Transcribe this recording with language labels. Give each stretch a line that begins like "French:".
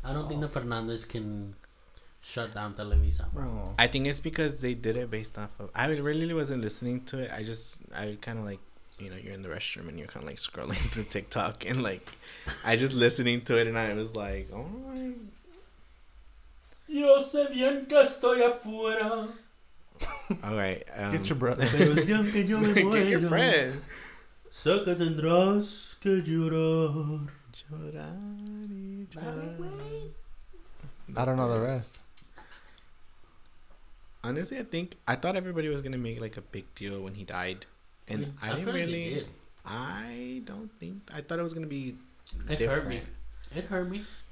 English: I don't think the Fernandez can shut down Televisa. Bro. I think it's because they did it based off of... I really wasn't listening to it. I kind of like, you know, you're in the restroom and you're kind of like scrolling through TikTok and like, I just listening to it and I was like, oh my...
Spanish: Yo sé bien que estoy afuera.
English: Alright. Get your brother. Get your friend.
Spanish: So que tendrás que llorar. Llorar y llorar.
English: I don't know the rest. Honestly, I thought everybody was going to make like a big deal when he died. And I didn't really. I thought it was going to be different. It hurt me.